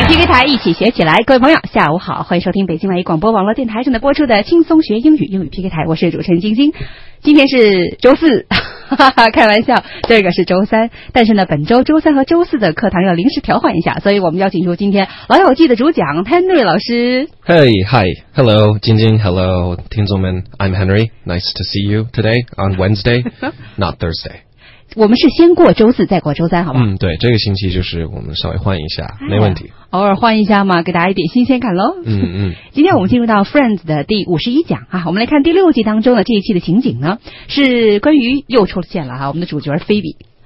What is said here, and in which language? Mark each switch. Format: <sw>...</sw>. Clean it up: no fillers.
<zh>台一起学起来。各位朋友下午好，欢迎收听北京外语广播网络电台正在播出的轻松学英语，英语 PK 台，我是主持人晶晶。今天是周四，哈哈，开玩笑，这个是周三，但是呢本周周三和周四的课堂要临时调换一下，所以我们要请出今天老友记的主讲 Henry 老师。</zh> <en>Hey, hi, hello, 晶晶 hello,</en> <zh>听众们</zh> <en>I'm Henry, nice to see you today on Wednesday, not Thursday.</en> <zh>我们是先过周四再过周三好吗？嗯，对，这个星期就是我们稍微换一下，没问题，偶尔换一下嘛，给大家一点新鲜感咯。嗯嗯，今天我们进入到 Friends 的第51讲啊，我们来看第六季当中的这一期的情景呢，是关于又出现了啊，我们的主角 Phoebe。</zh>